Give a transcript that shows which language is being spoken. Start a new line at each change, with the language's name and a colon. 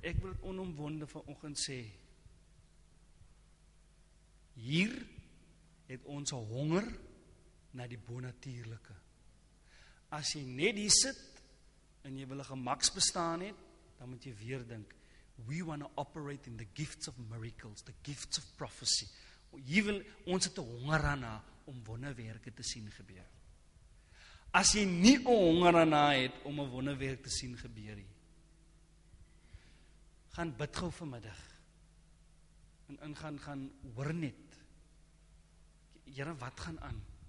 Afrikaans: Ek wil dit onomwonde vanoggend sê. Hier het ons 'n honger na die bonatuurlike. As jy net hier sit en jy wil 'n gemaks bestaan het, dan moet jy weer dink.
English: We want to operate in the gifts of miracles, the gifts of prophecy.
Afrikaans: Even ons het 'n honger daarna om wonderwerke te sien gebeur. As jy nie 'n honger daarna het om 'n wonderwerk te sien gebeur nie, gaan bid gou vanmiddag. En ingaan gaan hoor net. Here, wat gaan aan?